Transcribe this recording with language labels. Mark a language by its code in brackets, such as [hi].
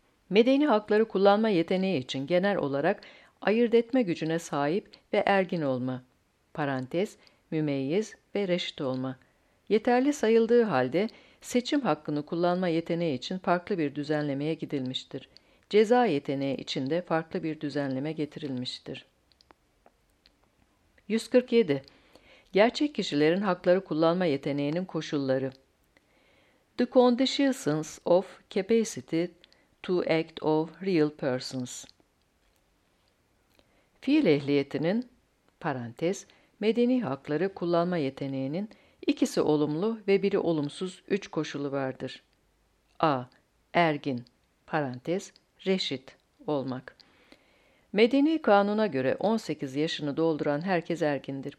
[tr] Medeni hakları kullanma yeteneği için genel olarak ayırt etme gücüne sahip ve ergin olma, parantez, mümeyyiz ve reşit olma, yeterli sayıldığı halde seçim hakkını kullanma yeteneği için farklı bir düzenlemeye gidilmiştir. Ceza yeteneği için de farklı bir düzenleme getirilmiştir. 147. Gerçek kişilerin hakları kullanma yeteneğinin koşulları. [en] The conditions of capacity to act of real persons. [tr] Fiil ehliyetinin, parantez, medeni hakları kullanma yeteneğinin ikisi olumlu ve biri olumsuz üç koşulu vardır. A. Ergin, parantez, reşit olmak. Medeni kanuna göre 18 yaşını dolduran herkes ergindir.